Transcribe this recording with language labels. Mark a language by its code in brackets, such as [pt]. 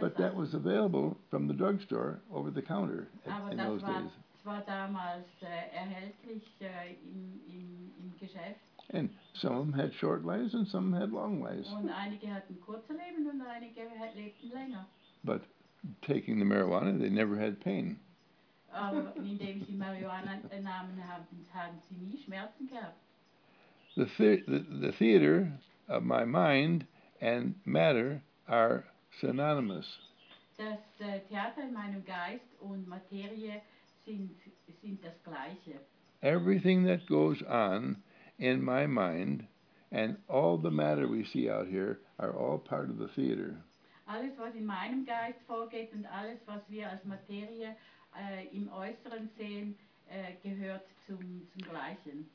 [en] But that was available from the drugstore over the counter [de] Aber [en] in those days. [de] Aber das war damals erhältlich im Geschäft. [en] And some of them had short lives and some had long lives. [de] Und einige hatten kurze Leben und einige lebten länger. [en] But taking the marijuana, they never had pain. [de] Aber indem sie Marihuana nahmen, hatten sie nie Schmerzen gehabt. [en] The theater of my mind and matter are synonymous. [de] Das Theater in meinem Geist und Materie sind das gleiche. [en] Everything that goes on in my mind and all the matter we see out here are all part of the theater. [de] Alles was in meinem Geist vorgeht und alles was wir als Materie im Äußeren sehen, gehört zum Gleichen.